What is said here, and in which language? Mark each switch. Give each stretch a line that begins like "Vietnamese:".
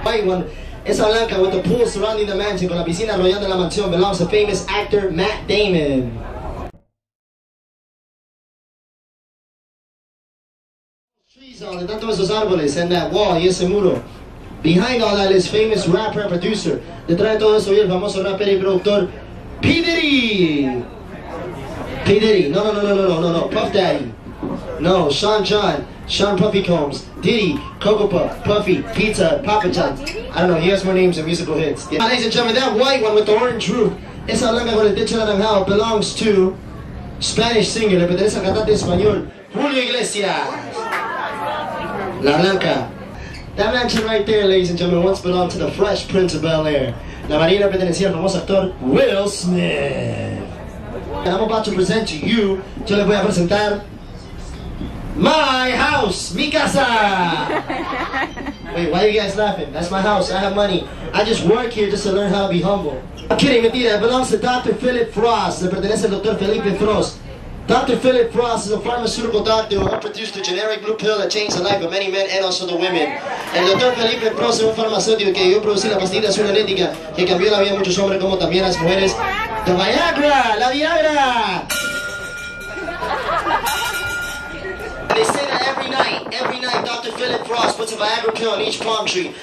English: White one,
Spanish: esa blanca
English: with the pool surrounding the mansion,
Spanish: con la piscina rodeando la mansión,
English: belongs to famous actor Matt Damon. Trees on,
Spanish: tanto esos árboles,
English: and that wall,
Spanish: y ese muro.
English: Behind all that is famous rapper and producer.
Spanish: Detrás de todo eso, el famoso rapper y productor, P.
English: Diddy. P. Diddy, no, Puff Daddy. No, Sean John, Sean Puffy Combs, Diddy, Coco Puff, Puffy, Pizza, Papa John. I don't know, he has more names and musical hits. Yeah. Ladies and gentlemen, that white one with the orange roof,
Spanish: esa blanca con el techo de naranja,
English: belongs to Spanish singer,
Spanish: le pertenece al cantante español,
English: Julio Iglesias.
Spanish: La blanca.
English: That mansion right there, ladies and gentlemen, once belonged to the Fresh Prince of Bel-Air.
Spanish: La marina pertenecía al famoso actor Will Smith.
English: I'm about to present to you,
Spanish: yo le voy a presentar
English: my house,
Spanish: mi casa.
English: Wait, why are you guys laughing? That's my house, I have money. I just work here just to learn how to be humble. I'm kidding,
Spanish: mentira,
English: it belongs to Dr. Philip Frost.
Spanish: Le pertenece al Dr. Felipe Frost.
English: Dr. Philip Frost is a pharmaceutical doctor who produced a generic blue pill that changed the life of many men and also the women.
Spanish: El Dr. Felipe Frost es un farmacéutico que ayudó a producir la pastilla azul genética que cambió la vida de muchos hombres como también las mujeres. ¡La Viagra! ¡La Viagra!
English: They say that every night, Dr. Philip Frost puts a Viagra pill on each palm tree.